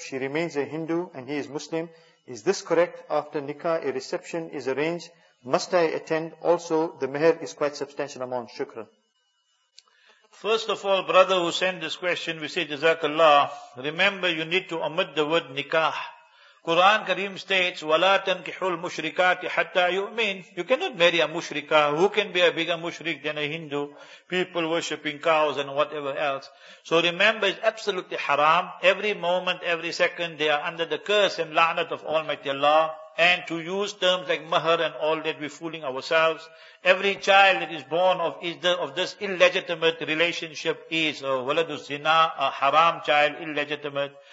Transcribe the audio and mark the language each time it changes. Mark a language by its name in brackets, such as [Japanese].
[English] She remains a Hindu and he is Muslim. Is this correct? After nikah, a reception is arranged. Must I attend? Also, the mehr is quite substantial amount. Shukran. First of all, brother who sent this question, we say Jazakallah. Remember, you need to omit the word nikah. [Arabic] Quran Kareem states, وَلَا تَنْكِحُ الْمُشْرِكَاتِ حَتَّى يُؤْمِنُ. [English] You cannot marry a mushrika. Who can be a bigger mushrik than a Hindu? People worshipping cows and whatever else. So remember, it's absolutely haram. Every moment, every second, they are under the curse and la'nat of Almighty Allah. And to use terms like mahar and all that, we're fooling ourselves. Every child that is born of this illegitimate relationship is a waladu zina, a haram child, illegitimate.